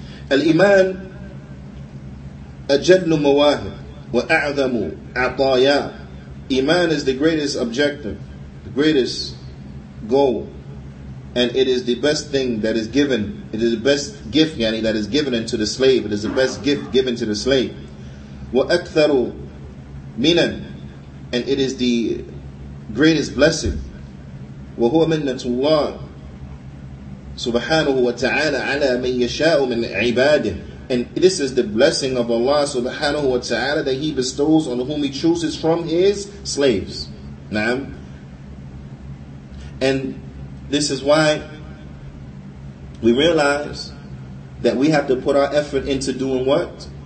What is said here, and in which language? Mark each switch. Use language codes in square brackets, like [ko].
[ar] Al-Iman أجل مواهب وأعظم عطايا. [en] Iman is the greatest objective, the greatest goal, and it is the best thing that is given. It is the best gift, yani, that is given into the slave. It is the best gift given to the slave. [ar] وأكثر منا, [en] and it is the greatest blessing. [ar] وهو منة الله سبحانه وتعالى على من يشاء من عباده. [en] And this is the blessing of Allah subhanahu wa ta'ala that He bestows on whom He chooses from His slaves. Na'am. And this is why we realize that we have to put our effort into doing what?